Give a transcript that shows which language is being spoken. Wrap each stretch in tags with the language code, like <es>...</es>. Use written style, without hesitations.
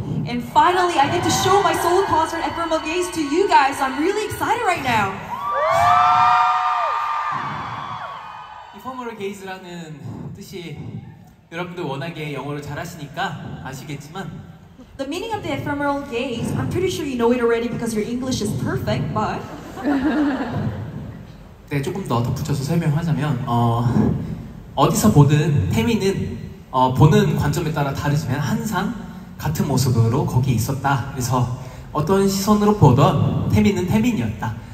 <en>And finally, I get to show my solo concert at Fermo Gaze to you guys. I'm really excited right now.</en> <ko>이퍼머럴 게이즈라는 뜻이 여러분들 워낙에 영어를 잘하시니까 아시겠지만</ko> <en>The meaning of the ephemeral gaze, I'm pretty sure you know it already because your English is perfect, but...</en> <ko>네, 조금 더 덧붙여서 설명하자면 어디서 보든 태미는 보는 관점에 따라 다르지만 항상 같은 모습으로 거기에 있었다. 그래서 어떤 시선으로 보던 태미는 태민이었다.</ko>